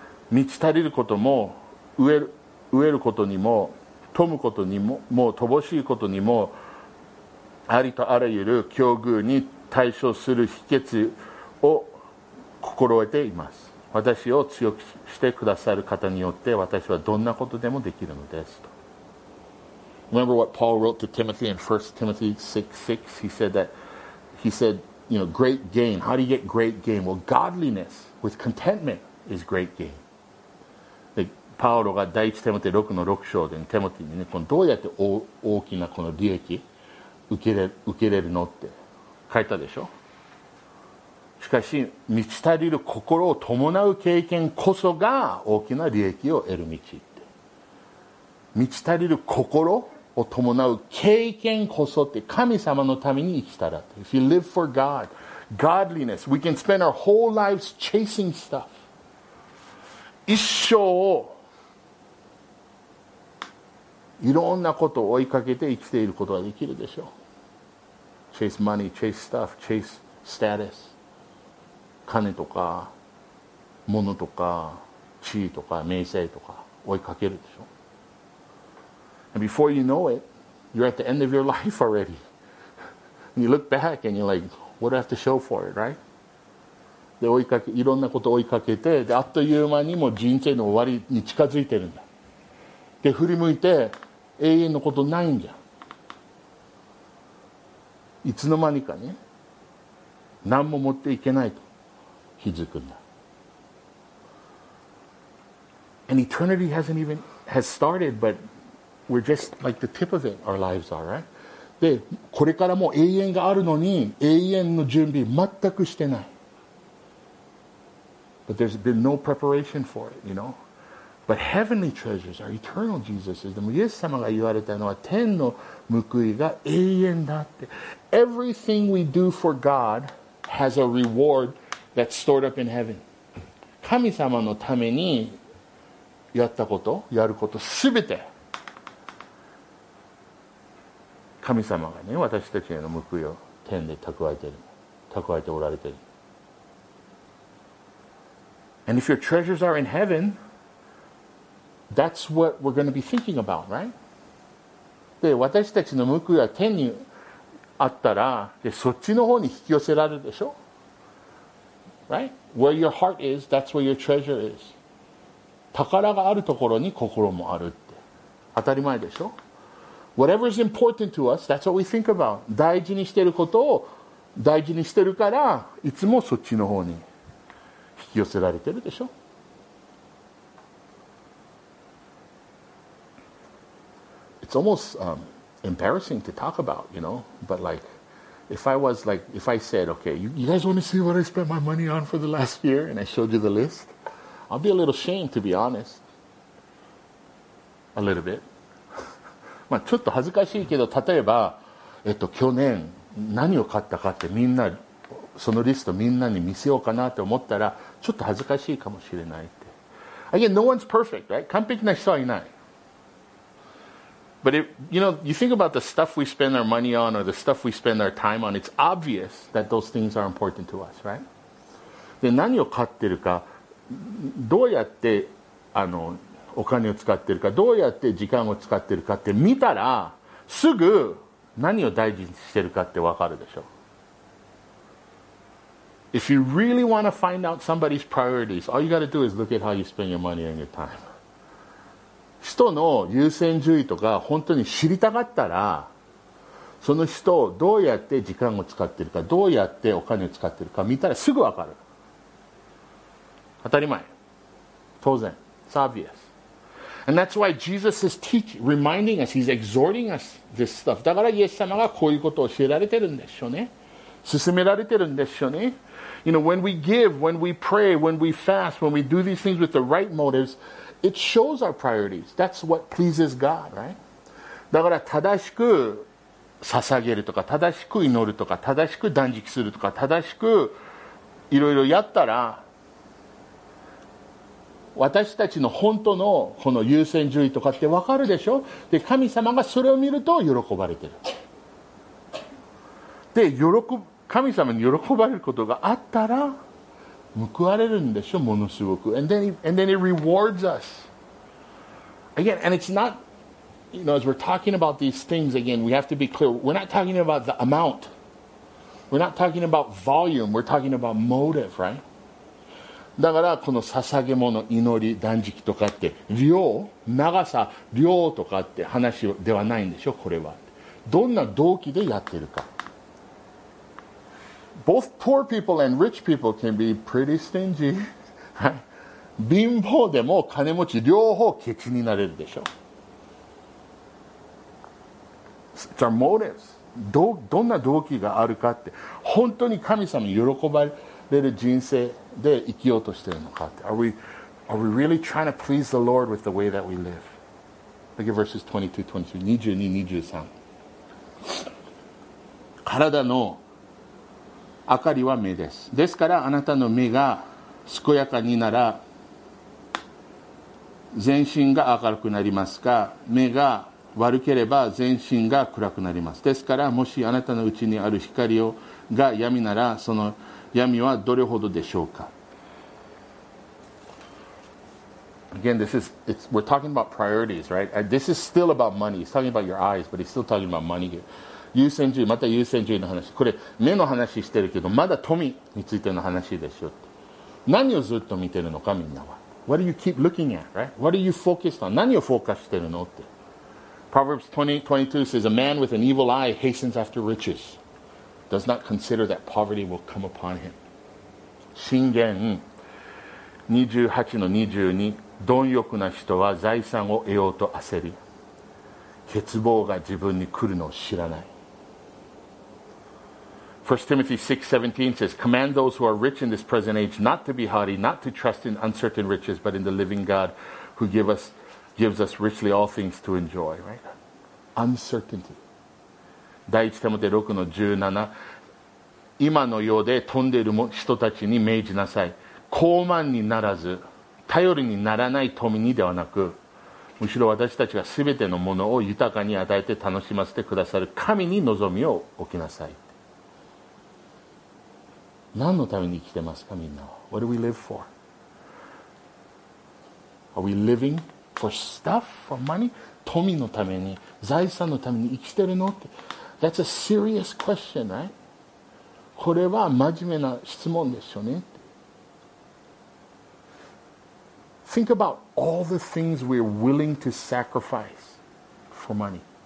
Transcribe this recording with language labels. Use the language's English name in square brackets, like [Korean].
[Japanese] 満ち足りることも飢えることにも富むことにも、もう乏しいことにも、ありとあらゆる境遇に対処する秘訣を心得ています。私を強くしてくださる方によって私はどんなことでもできるのですと。 [English] Remember what Paul wrote to Timothy in 1 Timothy 6:6? He said, you know, great gain. How do you get great gain? Well, godliness with contentment is great gain. [Japanese] で、パウロが第一テモテ6の6章で、ね、テモテにね、このどうやって 大きなこの利益受けれるのって書いたでしょ。しかし満ち足りる心を伴う経験こそが大きな利益を得る道って、満ち足りる心を伴う経験こそって、神様のために生きたらって。 [English] If you live for God, godliness, we can spend our whole lives chasing stuff. [Japanese] 一生をいろんなことを追いかけて生きていることができるでしょう。 [English] Chase money, chase stuff, chase status. [Japanese] 金とか物とか地位とか名声とか追いかけるでしょ。 [English] And before you know it, you're at the end of your life already. And you look back and you're like, what do I have to show for it, right? [Japanese] で、追いかけ、いろんなこと追いかけて、で、あっという間にも人生の終わりに近づいてるんだ。で、振り向いて永遠のことないんじゃん。いつの間にかね、何も持っていけないと。気づくんだ。 [English] And eternity hasn't even has started, but we're just like the tip of it. Our lives are right. [Japanese] で、これからも永遠があるのに、永遠の準備全くしてない。 [English] But there's been no preparation for it, you know. But heavenly treasures are eternal. Jesus is. [Japanese] でも、イエス様が言われたのは、天の報いが永遠だって。 [English] Everything we do for God has a reward. That's stored up in heaven. [Japanese] 神様のためにやったこと、やること、すべて神様がね、私たちへの報いを天で蓄えている、蓄えておられている。 [English] And if your treasures are in heaven, that's what we're going to be thinking about, right? [Japanese] で、私たちの報いは天にあったら、で、そっちの方に引き寄せられるでしょ。 [English] Right? Where your heart is, that's where your treasure is. [Japanese] 宝があるところに心もあるって。当たり前でしょ? [English] Whatever is important to us, that's what we think about. [Japanese] 大事にしてることを大事にしてるから、いつもそっちの方に引き寄せられてるでしょ? [English] It's almost, embarrassing to talk about, you know, but like,If I said, okay, you guys want to see what I spent my money on for the last year, and I showed you the list, I'd be a little ashamed, to be honest. A little bit. [Japanese] まあちょっと恥ずかしいけど、例えば、去年何を買ったかってみんな、そのリストみんなに見せようかなって思ったら、ちょっと恥ずかしいかもしれないって。 [English] Again, no one's perfect, right? [Japanese] 完璧な人はいない。 [English] But it, you know, you think about the stuff we spend our money on or the stuff we spend our time on, it's obvious that those things are important to us, right? [Japanese] で、何を買ってるか、どうやってお金を使ってるか、どうやって時間を使ってるかって見たら、すぐ何を大事にしてるかって分かるでしょ。 [English] If you really want to find out somebody's priorities, all you got to do is look at how you spend your money and your time. [Japanese] 人の優先順位とか本当に知りたかったら、その人をどうやって時間を使っているか、どうやってお金を使っているか見たらすぐ分かる。当たり前、当然、 [English] It's obvious. And that's why Jesus is teaching, reminding us, he's exhorting us this stuff. [Japanese] だからイエス様がこういうことを教えられてるんでしょうね、勧められてるんでしょうね。 [English] You know, when we give, when we pray, when we fast, when we do these things with the right motives, it shows our priorities. That's what pleases God, right? [Japanese] だから正しく捧げるとか正しく祈るとか正しく断食するとか正しくいろいろやったら、私たちの本当のこの優先順位とかって分かるでしょ。で、神様がそれを見ると喜ばれてる。で、神様に喜ばれることがあったら報われるんでしょ、ものすごく。 [English] And then it rewards us again. And it's not, you know, as we're talking about these things again, we have to be clear. We're not talking about the amount. We're not talking about volume. We're talking about motive, right? [Japanese] だからこの捧げ物、祈り、断食とかって量、長さ、量とかって話ではないんでしょ。これはどんな動機でやってるか。 [English] Both poor people and rich people can be pretty stingy. [Japanese] 貧乏でも金持ち両方ケチになれるでしょ。 [English] It's our motives. [Japanese] どんな動機があるかって、本当に神様に喜ばれる人生で生きようとしてるのかって。 [English] Are we really trying to please the Lord with the way that we live? Look at verses 22-23. 22-23. [Japanese] 体の明かりは目です。ですからあなたの目が健やかになら全身が明るくなりますが、目が悪ければ全身が暗くなります。ですからもしあなたのうちにある光をが闇なら、その闇はどれほどでしょうか。 [English] Again, this is, it's, we're talking about priorities, right? This is still about money. He's talking about your eyes, but he's still talking about money here. [Japanese] 優先順位、また優先順位の話。これ目の話してるけど、まだ富についての話でしょ。何をずっと見てるのか、みんなは。 [English] What do you keep looking at, right? What are you focused on? [Japanese] 何をフォーカスしてるのって。 [English] Proverbs 20:22 says, "A man with an evil eye hastens after riches, does not consider that poverty will come upon him." [Japanese] 箴言 28:22, 貪欲な人は財産を得ようと焦り、欠乏が自分に来るのを知らない。 [English] 1 Timothy 6:17 says, "Command those who are rich in this present age not to be haughty, not to trust in uncertain riches, but in the living God, who gives us richly all things to enjoy." Right? Uncertainty. [Japanese] 第1 Timothy 6:17, 今の世で富んでいる人たちに命じなさい。高慢にならず、頼りにならない富にではなく、むしろ私たちが全てのものを豊かに与えて楽しませてくださる神に望みを置きなさい。何のために生きてますか、みんな。 [English] What do we live for? Are we living for stuff, for money? [Japanese] 富のために、財産のために生きてるのって。 [English] That's a serious question, right? [Japanese] これは真面目な質問ですよね。 [English] Think about all the things we're willing to sacrifice for money.